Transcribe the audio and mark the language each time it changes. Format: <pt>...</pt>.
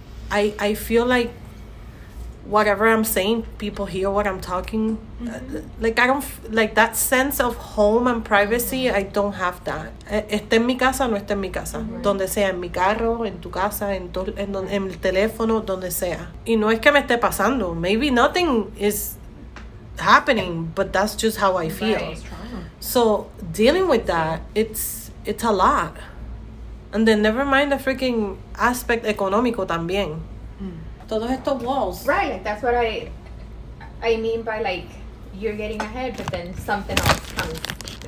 <en>I feel like whatever I'm saying, people hear what I'm talking. Mm-hmm. Like, I don't... Like, that sense of home and privacy, mm-hmm. I don't have that.</en> <es>Esté en mi casa o no esté en mi casa. Mm-hmm. Donde sea, en mi carro, en tu casa, en el teléfono, donde sea. Y no es que me esté pasando.</es> <en>Maybe nothing is happening, but that's just how I feel. So, dealing with that, it's a lot. And then never mind the freaking aspect económico también.</en> <es>Todos estos walls.</es> <en>Right, like that's what I mean by, like, you're getting ahead, but then something else comes.</en>